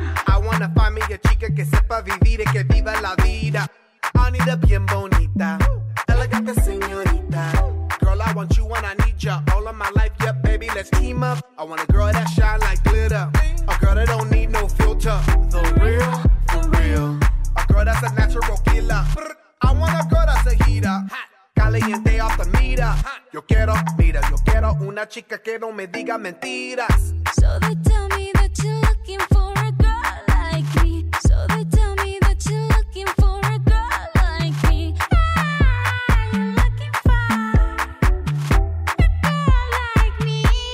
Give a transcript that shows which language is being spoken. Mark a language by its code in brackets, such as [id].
[en] I wanna find me a [es] chica que sepa vivir y que viva la vida. [en] I need a [es] bien bonita, elegante señorita. [en] Girl, I want you and I need ya all of my life, yeah, baby, let's team up. I want a girl that shine like glitter, a girl that don't need no filter. The real, the real. A girl that's a natural killer. I want a girl that's a heater. Caliente off the meter. [es] Yo quiero, mira, yo quiero una chica que no me diga mentiras. [en] So they tell me that you're looking for a girl like me. So they tell me that you're looking for a girl like me. Hey, you're looking for a girl like me.